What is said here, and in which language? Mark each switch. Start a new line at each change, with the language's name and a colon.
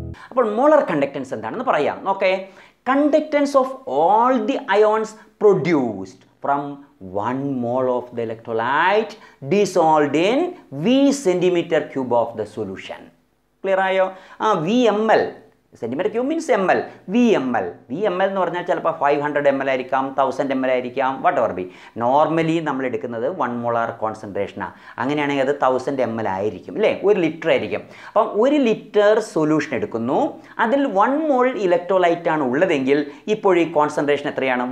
Malayalam: അപ്പോൾ molar conductance എന്താണെന്ന് പറയാം.
English: Okay, conductance of all the ions produced from 1 mole of the electrolyte dissolved in V cm³ of the solution.
Malayalam: ക്ലിയറായോ?
English: V ml cm³ means ML.
Malayalam: VML എന്ന് പറഞ്ഞാൽ ചിലപ്പോൾ 500 ml ആയിരിക്കാം, 1000 ml ആയിരിക്കാം,
English: Whatever be.
Malayalam: Normally നമ്മൾ എടുക്കുന്നത് 1 molar കോൺസെൻട്രേഷനാണ്. അങ്ങനെയാണെങ്കിൽ അത് 1000 ml ആയിരിക്കും അല്ലേ, 1 liter ആയിരിക്കും. അപ്പം 1 liter സൊല്യൂഷൻ എടുക്കുന്നു, അതിൽ 1 mole ഇലക്ട്രോലൈറ്റ് ആണ് ഉള്ളതെങ്കിൽ ഇപ്പോൾ ഈ കോൺസെൻട്രേഷൻ എത്രയാണ്?